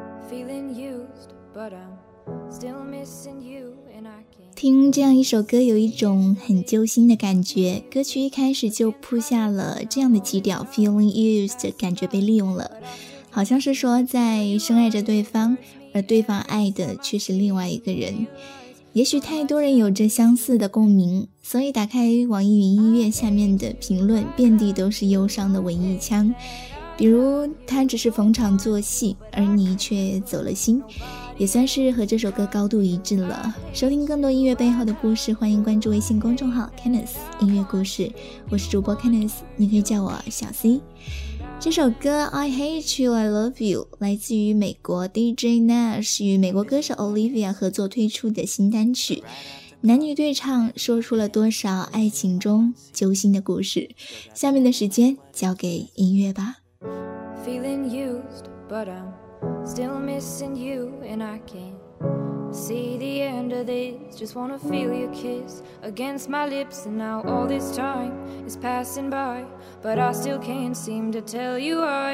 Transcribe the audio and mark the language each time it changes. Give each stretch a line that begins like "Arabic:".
English: feeling used, but I'm still missing you and I can't。
Chinese: 听这样一首歌有一种很揪心的感觉，歌曲一开始就铺下了这样的基调，
English: feeling used，
Chinese: 感觉被利用了，好像是说在深爱着对方，而对方爱的却是另外一个人。也许太多人有着相似的共鸣，所以打开网易云音乐下面的评论，遍地都是忧伤的文艺腔，比如他只是逢场作戏，而你却走了心，也算是和这首歌高度一致了。收听更多音乐背后的故事，欢迎关注微信公众号 Kenneth 音乐故事，我是主播 Kenneth， 你可以叫我小 C。这首歌 I Hate You I Love You 来自于美国 DJ Nash 与美国歌手 Olivia 合作推出的新单曲，男女对唱，说出了多少爱情中揪心的故事。下面的时间交给音乐吧。
English: Feeling used, but I'm still missing you, and I can't see the end of this. Just wanna feel your kiss against my lips, and now all this time is passing by, but I still can't seem to tell you why.